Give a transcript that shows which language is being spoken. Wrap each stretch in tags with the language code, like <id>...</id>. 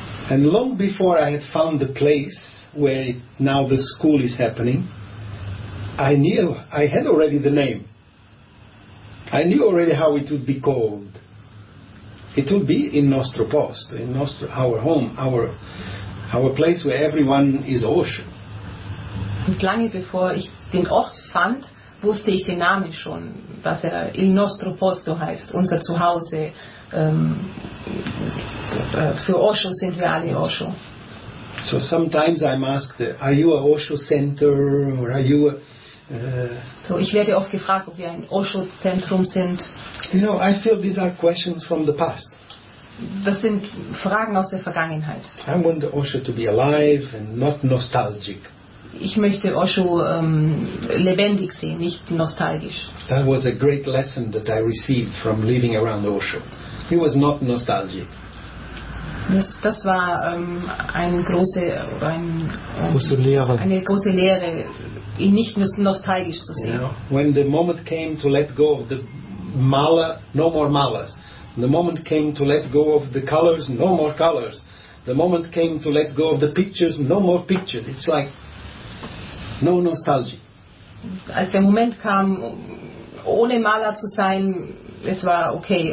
<en>And long before I had found the place where now the school is happening, I knew, I had already the name. I knew already how it would be called. It will be in nostro posto, in nostro, our home, our place where everyone is Osho.</en> <de>Und lange bevor ich den Ort fand, wusste ich den Namen schon, dass er Il Nostro Posto heißt, unser Zuhause. Für Osho sind wir alle Osho.</de> <en>So sometimes I'm asked, are you a Osho center or are you a...</en> <de>So ich werde oft gefragt, ob wir ein Osho-Zentrum sind.</de> <en>You know, I feel these are questions from the past.</en> <de>Das sind Fragen aus der Vergangenheit.</de> <en>I want Osho to be alive and not nostalgic.</en> <de>Ich möchte Osho lebendig sehen, nicht nostalgisch.</de> <en>That was a great lesson that I received from living around Osho. He was not nostalgic.</en> <de>Das war eine große Lehre. Ihn nicht nostalgisch zu sehen.</de> <en>You know, when the moment came to let go of the mala, no more malas. The moment came to let go of the colors, no more colors. The moment came to let go of the pictures, no more pictures. It's like no nostalgia.</en> <de>Als der Moment kam, ohne Maler zu sein, es war okay.</de>